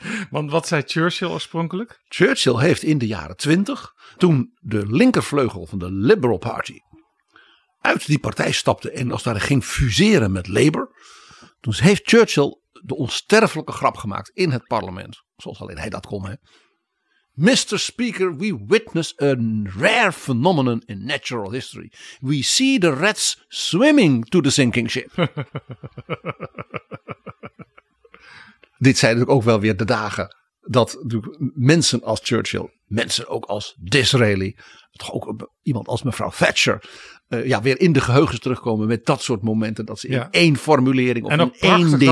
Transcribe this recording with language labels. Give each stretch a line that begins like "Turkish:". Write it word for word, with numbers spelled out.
Dutch: Want wat zei Churchill oorspronkelijk? Churchill heeft in de jaren twintig, toen de linkervleugel van de Liberal Party uit die partij stapte en als daar ging fuseren met Labour, toen heeft Churchill de onsterfelijke grap gemaakt in het parlement, zoals alleen hij dat kon. Hè?
English: Mister Speaker, we witness a rare phenomenon in natural history. We see the rats swimming to the sinking ship.
Dutch: Dit zijn natuurlijk ook wel weer de dagen dat mensen als Churchill, mensen ook als Disraeli, toch ook iemand als mevrouw Thatcher, uh, ja, weer in de geheugens terugkomen met dat soort momenten. Dat ze in ja. één formulering of en in één ding.